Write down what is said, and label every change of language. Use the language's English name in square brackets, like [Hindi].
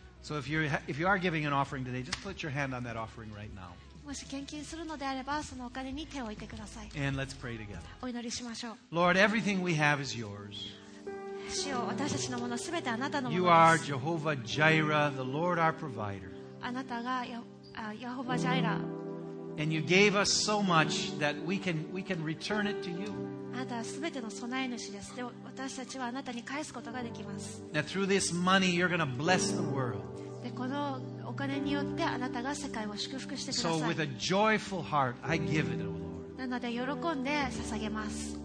[English] So if you are giving an offering today, just put your hand on that offering right now. [Japanese] もし献金するのであればそのお金に手を置いてください。 [English] And let's pray together. [Japanese] お祈りしましょう。 [English] Lord, everything we have is yours. [Japanese] 主よ、私たちのものすべてあなたのものです。 [English] You are Jehovah Jireh, the Lord our provider. [Japanese] あなたがヤホバジャイラ。 [English] And you gave us so much that we can return it to you. [Japanese] あなたはすべての備え主です。で、私たちはあなたに返すことができます。 [English] Now through this money, you're going to bless the world. [Japanese] で、このお金によってあなたが世界を祝福してください。 [English] So with a joyful heart, I give it, O Lord. [Japanese] なので喜んで捧げます。